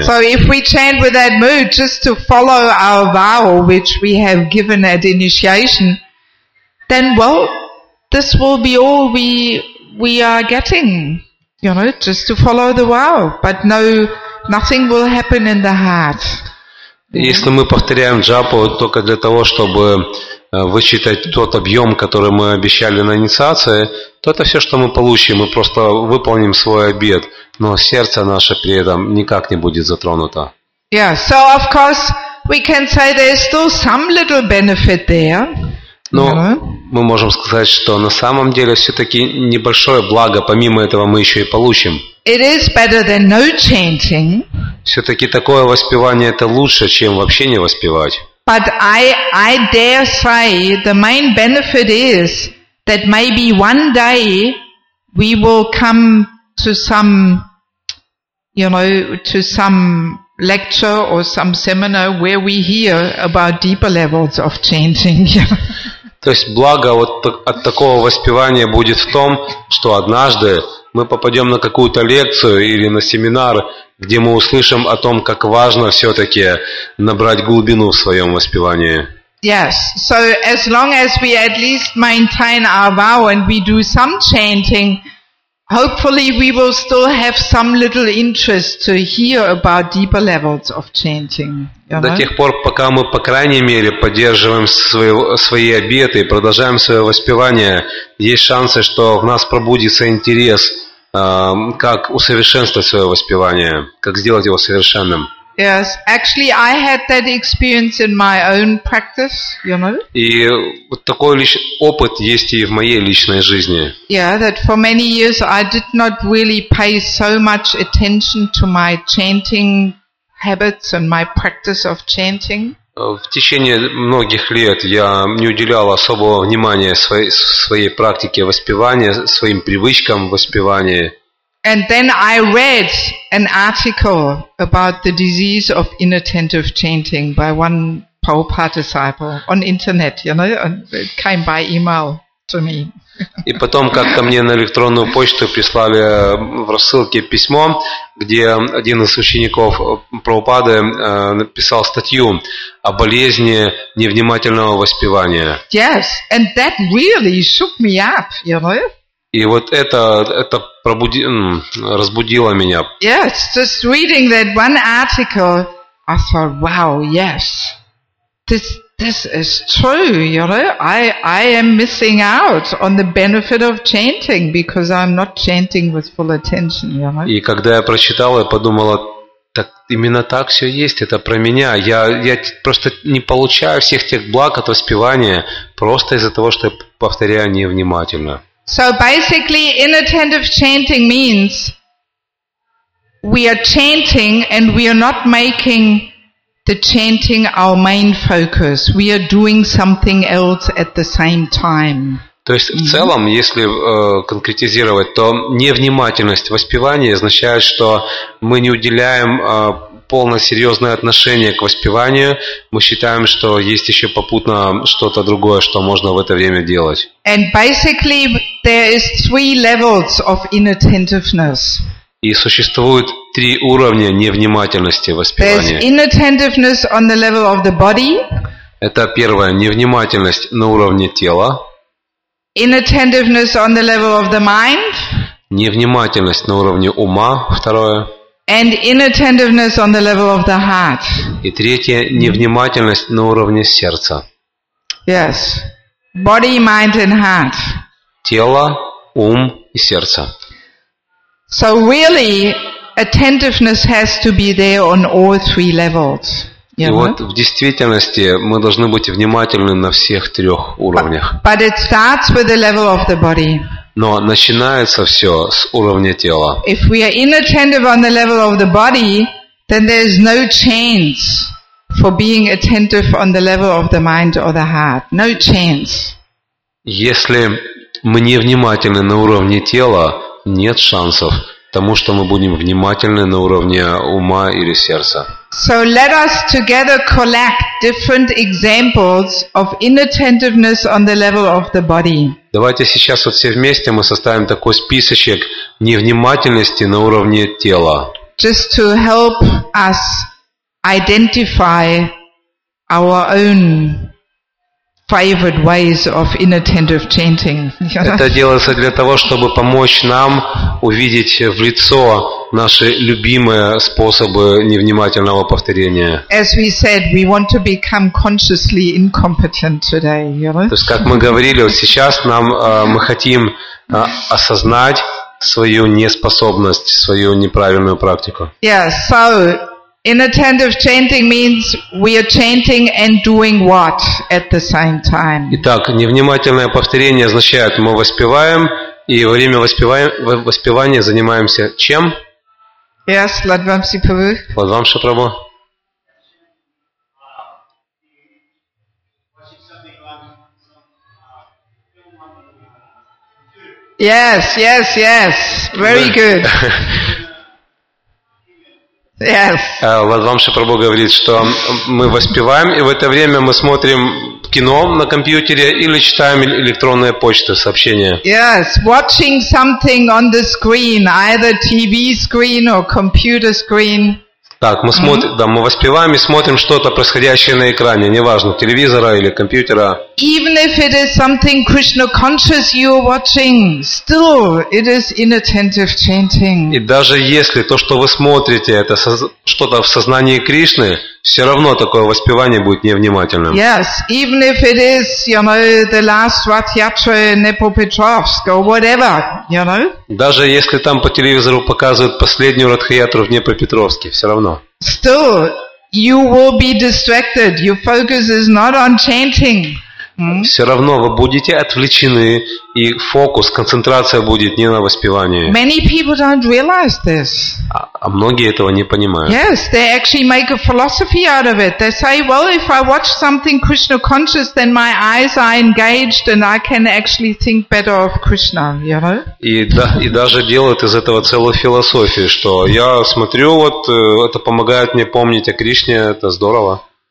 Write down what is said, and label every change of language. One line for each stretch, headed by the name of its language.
English: So if we chant with that mood, just to follow our vow, which we have given at initiation, then well, this will be all we are getting, you know, just to follow the vow, but no, nothing will happen in the heart.
Russian: Если мы повторяем джапу только для того, чтобы вычитать тот объем, который мы обещали на инициации, то это все, что мы получим. Мы просто выполним свой обет, но сердце наше при этом никак не будет затронуто.
English: Yeah, so of course we can say there's still some little benefit there.
Russian: Но мы можем сказать, что на самом деле все-таки небольшое благо, помимо этого мы еще и получим.
English: It is better than no chanting.
Russian: Все-таки такое воспевание это лучше, чем вообще не воспевать.
English: But I dare say the main benefit is that maybe one day we will come to some, you know, to some lecture or some seminar where we hear about deeper levels of chanting.
Russian: То есть благо вот от такого воспевания будет в том, что однажды мы попадем на какую-то лекцию или на семинар, где мы услышим о том, как важно все-таки набрать глубину в своем воспевании.
English: Yes, so as long as we at least maintain our vow and we do some chanting, hopefully we will still have some little interest to hear about deeper levels of chanting. You know?
Russian: До тех пор, пока мы по крайней мере поддерживаем свои обеты и продолжаем свое воспевание, есть шансы, что в нас пробудится интерес, как усовершенствовать свое воспевание, как сделать его совершенным.
English: Yes, actually, I had that experience in my own practice, you know.
Russian: И вот такой опыт есть и в моей личной жизни.
English: Yeah, that for many years I did not really pay so much attention to my chanting habits and my practice of chanting.
Russian: В течение многих лет я не уделял особого внимания своей практике воспевания, своим привычкам воспевания.
English: And then I read an article about the disease of inattentive chanting by one Prabhupada disciple on internet, you know, and it came by email to me.
Russian: И потом как-то мне на электронную почту прислали в рассылке письмо, где один из учеников Прабхупады написал статью о болезни невнимательного воспевания.
English: Yes, and that really shook me up, you know.
Russian: И вот это разбудило меня.
English: Yes, just reading that one article, I thought, wow, yes, this is true, you know. I am missing out on the benefit of chanting because I'm not chanting with full attention, you know.
Russian: И когда я прочитал, я подумала, так именно так все есть, это про меня. Я просто не получаю всех тех благ от воспевания просто из-за того, что я повторяю невнимательно.
English: So basically, inattentive chanting means we are chanting and we are not making the chanting our main focus. We are doing something else at the same time.
Russian: То есть в целом, если конкретизировать, то невнимательность воспевания означает, что мы не уделяем полное серьезное отношение к воспеванию. Мы считаем, что есть еще попутно что-то другое, что можно в это время делать.
English: And basically, there is three levels of inattentiveness.
Russian: И существует три уровня невнимательности воспевания.
English: There's inattentiveness on the level of the body.
Russian: Это первое, невнимательность на уровне тела.
English: Inattentiveness on the level of the mind.
Russian: Невнимательность на уровне ума, второе.
English: And inattentiveness on the level of the heart.
Russian: И третье, невнимательность на уровне сердца.
English: Yes. Body, mind and heart.
Russian: Тело, ум и сердце.
English: So really, attentiveness has to be there on all three levels.
Russian: И вот в действительности мы должны быть внимательны на всех трех уровнях.
English: But it starts with the level of the body.
Russian: Но начинается все с уровня тела.
English: If we are inattentive on the level of the body, then there is no chance for being attentive on the level of the mind or the heart. No chance.
Russian: Если мы невнимательны на уровне тела, нет шансов тому, что мы будем внимательны на уровне ума или сердца.
English: So let us together collect different examples of inattentiveness on the level of the body.
Russian: Давайте сейчас вот все вместе мы составим такой списочек невнимательности на уровне тела.
English: Just to help us identify our own favorite ways of inattentive chanting.
Russian: Это делается для того, чтобы помочь нам увидеть в лицо наши любимые способы невнимательного повторения.
English: As we said, we want to become consciously incompetent today.
Russian: То есть, как мы говорили, вот сейчас нам мы хотим осознать свою неспособность, свою неправильную практику.
English: Yes, so inattentive chanting means we are chanting and doing what at the same time.
Russian: Итак, невнимательное повторение означает, мы воспеваем и во время воспевания занимаемся чем?
English: Yes, Ладвам Сипрабху.
Russian: Ладвам Сипрабху.
English: Yes, yes, yes. Very good. Yes.
Russian: Ладвам Сипрабху говорит, что мы воспеваем, и в это время мы смотрим кино на компьютере или читаем электронную почту, сообщения.
English: Yes, watching something on the screen, either TV screen or computer screen.
Russian: Так, мы смотрим, да, мы воспеваем и смотрим что-то происходящее на экране, неважно, телевизора или компьютера.
English: Even if it is something Krishna conscious you are watching, still it is inattentive chanting.
Russian: И даже если то, что вы смотрите, это что-то в сознании Кришны, все равно такое воспевание будет невнимательным.
English: Yes, even if it is, you know, the last Rath Yatra in Dnepropetrovsk or whatever, you know.
Russian: Даже если там по телевизору показывают последнюю Ратха Ятру в Днепропетровске, все равно.
English: Still, you will be distracted. Your focus is not on chanting.
Russian: Все равно вы будете отвлечены, и фокус, концентрация будет не на воспевании.
English: Many people don't realize this.
Russian: А многие этого не понимают.
English: Yes, they actually make a philosophy out of it. They say, well, if I watch something Krishna conscious, then my eyes are engaged and I can actually think better of Krishna, you know?
Russian: И даже делают из этого целую философию, что я смотрю, вот это помогает мне помнить о Кришне, это здорово.